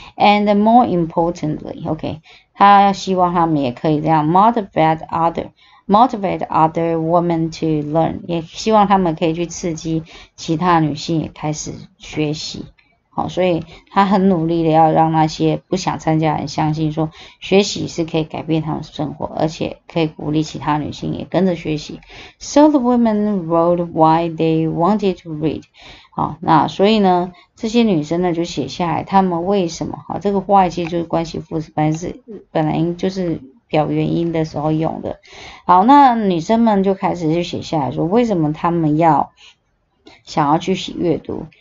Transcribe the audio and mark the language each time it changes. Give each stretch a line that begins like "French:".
English: And more importantly，
Chinese: OK，他要希望他们也可以这样
English: motivate other women to learn，
Chinese: 也希望他们可以去刺激其他女性也开始学习。好，所以他很努力的要让那些不想参加的人相信说，学习是可以改变他们生活，而且可以鼓励其他女性也跟着学习。
English: So the women wrote why they wanted to read。
Chinese: 好，那所以呢，这些女生呢就写下来，她们为什么？好，这个 why 其实就是关系副词，本来就是表原因的时候用的。好，那女生们就开始就写下来说，为什么她们要想要去写阅读？